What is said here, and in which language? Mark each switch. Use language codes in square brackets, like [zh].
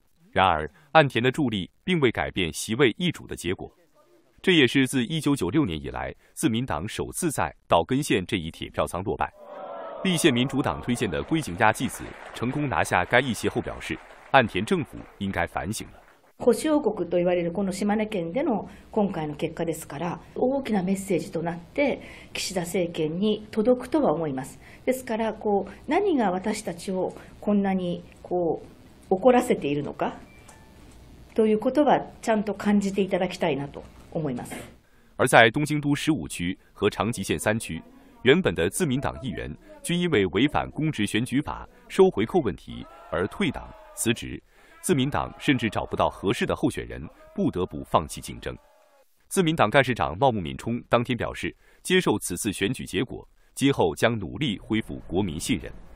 [zh] 然而岸田的助力并未改变席位易主的结果，这也是自1996年以来自民党首次在岛根县这一铁票仓落败。立宪民主党推荐的龟井亚纪子成功拿下该议席后表示，岸田政府应该反省了。 [ja] 保守国と言われるこの島根県での今回の結果ですから、大きなメッセージとなって岸田政権に届くとは思います。ですから、こう何が私たちをこんなにこう怒らせているのかということはちゃんと感じていただきたいなと思います。 [zh] 而在东京都15区和长崎县3区，原本的自民党议员均因为违反公职选举法收回扣问题而退党辞职。自民党甚至找不到合适的候选人，不得不放弃竞争。自民党干事长茂木敏充当天表示，接受此次选举结果，今后将努力恢复国民信任。